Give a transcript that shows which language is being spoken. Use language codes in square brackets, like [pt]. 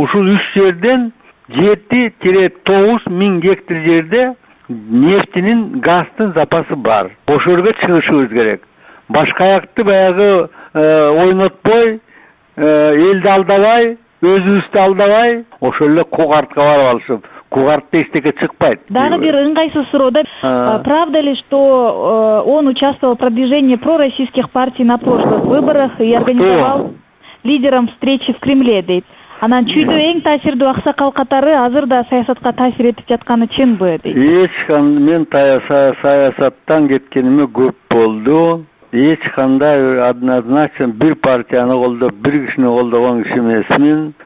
[ky] Ушул 3 жерден 7-9 000 гектар жерде нефтинин, газдын запасы бар. Ошолорго чыгышыбыз керек. Башка якты баягы ойнотпой, элди алдабай, өзүбүздү алдабай, ошол эле Кугартка барып алышып, Кугартта эчтеке чыкпайт. Дагы бир ыңгайсыз суроо да. [ru] Правда ли, что он участвовал в продвижении пророссийских партий на прошлых выборах и организовал лидером встречи в Кремле, [ky] дейт. Анан чүйдө эң таасирдүү аксакал катары азыр да саясатка таасир этип жатканы чынбы, дейт? Эч кандай, мен саясаттан кеткениме көп болду. Эч кандай однозначен бир партияны колдоп, бир кишини колдогон киши эмесмин.